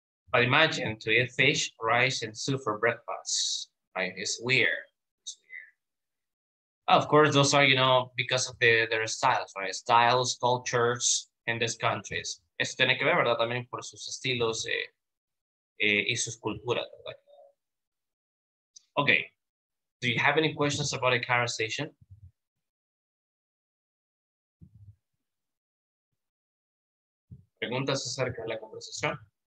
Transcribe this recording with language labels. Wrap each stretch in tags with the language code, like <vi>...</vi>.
<en>But imagine to eat fish, rice, and soup for breakfast, right? It's weird. Of course, those are, you know, because of their styles, right? Styles, cultures, in these countries.</en> <es>Eso tiene que ver, ¿verdad? También por sus estilos y sus culturas, ¿verdad?</es> <en>Okay. Do you have any questions about the conversation?</en> <es>¿Preguntas acerca de la conversación?</es>